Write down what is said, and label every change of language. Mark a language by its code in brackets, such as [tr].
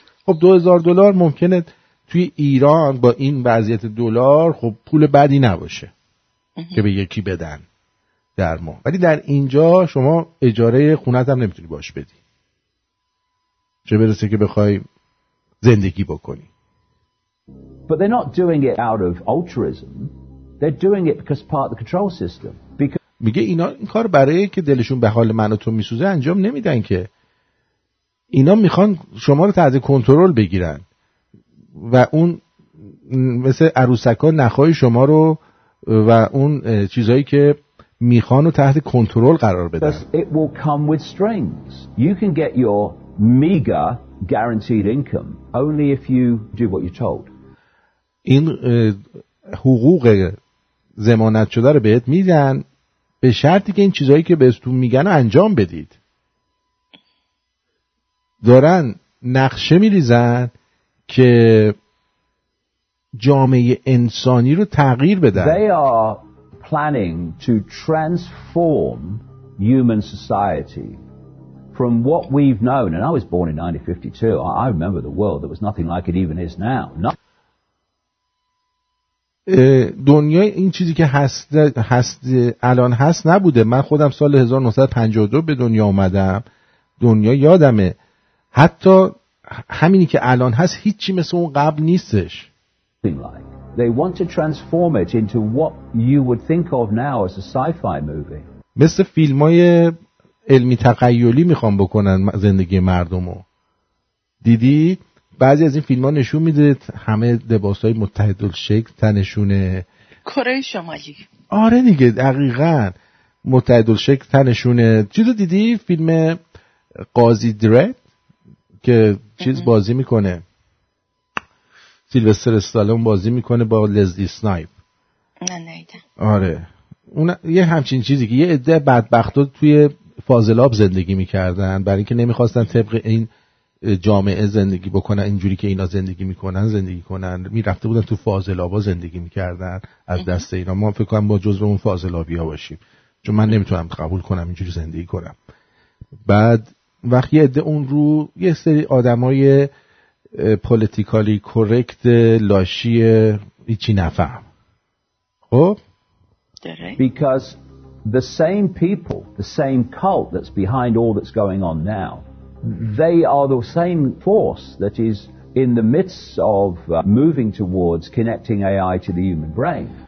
[fa] خب $2,000 ممکنه توی ایران با این وضعیت دلار خب پول بدی نباشه که به یکی بدن در ماه. ولی در اینجا شما اجاره خونت هم نمیتونی باش بدی، چه برسه که بخوای زندگی بکنی. [en] But they're not doing it out of altruism. They're doing it because part of the control system. [fa] میگه اینا این کار برای که دلشون به حال من و تو میسوزه انجام نمیدن، که اینا میخوان شما رو تحت کنترل بگیرن و اون مثل عروسک ها نخواهی شما رو و اون چیزایی که میخوان رو تحت کنترل قرار بدن. [en] It will come with strings. You can get your meager guaranteed income only if you do what you're told. [fa] این حقوق ضمانت شده رو بهت میدن به شرطی که این چیزایی که بهتون میگن انجام بدید. دارن نقشه میریزن که جامعه انسانی رو تغییر بدن. [en] They are planning to transform human society from what we've known. And I was born in 1952. I remember the world that was nothing like it even is now. [fa] دنیا این چیزی که هست الان هست نبوده. من خودم سال 1952 به دنیا اومدم، دنیا یادمه. حتی همینی که الان هست هیچی مثل اون قبل نیستش. [en] They want to transform it into what you would think of now as a sci-fi movie. [fa] مثل فیلمای علمی تخیلی میخوان بکنن زندگی مردمو. دیدی بعضی از این فیلم‌ها نشون میده همه لباس‌های متحدالشکل تنشونه، کره شمالی. آره دیگه دقیقاً متحدالشکل تنشونه. چیزو دیدی فیلم قاضی درد که چیز بازی میکنه، سیلوستر استالون بازی میکنه با لزلی سنایپ؟ نه. آره اون یه همچین چیزی که یه عده بدبختا توی فاضلاب زندگی میکردن برای اینکه نمیخواستن طبق این جامعه زندگی بکنن، اینجوری که اینا زندگی میکنن زندگی کنن، میرفته بودن تو فاضلابا زندگی میکردن از دست اینا. ما فکر کنم با جزء اون فاضلابیا باشیم چون من نمیتونم قبول کنم اینجوری زندگی کنم. بعد وقت یه عده اون رو یه سری آدمای پولیتیکالی کورکت لاشی ایچی نفهم. خب [en] because the same people, the same cult that's behind all that's going on now, they are the same force that is in the midst of moving towards connecting AI to the human brain.